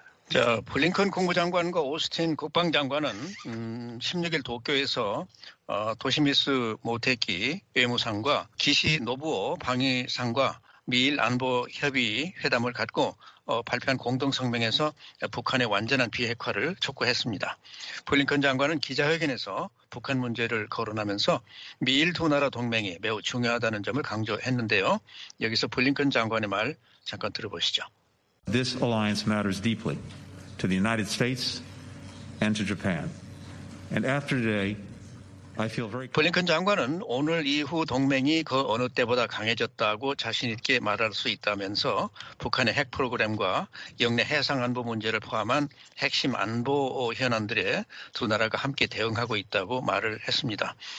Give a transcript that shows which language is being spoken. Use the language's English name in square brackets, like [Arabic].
[Korean] 자, 블링컨 국무장관과 오스틴 국방장관은 16일 도쿄에서 도시미스 모테키 외무상과 기시 노부오 방위상과 미일 안보협의 회담을 갖고 발표한 공동성명에서 북한의 완전한 비핵화를 촉구했습니다. 블링컨 장관은 기자회견에서 북한 문제를 거론하면서 미일 두 나라 동맹이 매우 중요하다는 점을 강조했는데요. 여기서 블링컨 장관의 말 잠깐 들어보시죠. [English] This alliance matters deeply to the United States and to Japan. And after today, I feel very. [Korean] 블링컨 장관은 오늘 이후 동맹이 그 어느 때보다 강해졌다고 자신 있게 말할 수 있다면서 북한의 핵 프로그램과 영내 해상 안보 문제를 포함한 핵심 안보 현안들에 두 나라가 함께 대응하고 있다고 말을 했습니다.